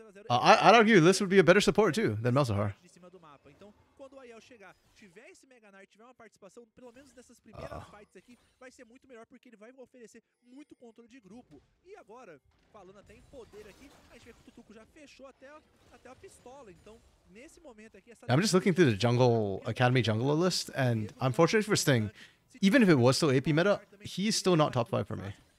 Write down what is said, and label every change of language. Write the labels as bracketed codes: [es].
[en] I'd argue this would be a better support too than Malzahar. [pt] quando o Aiel chegar, tiver esse Mega Knight, tiver uma participação, pelo menos nessas primeiras fights aqui, vai ser muito melhor, porque ele vai oferecer muito controle de grupo. E agora, falando até em poder aqui, a gente vê que o Tutuco já fechou até a pistola, então... [en] I'm just looking through the jungle academy jungler list, and unfortunately for Sting, even if it was still AP meta, he's still not top 5 for me.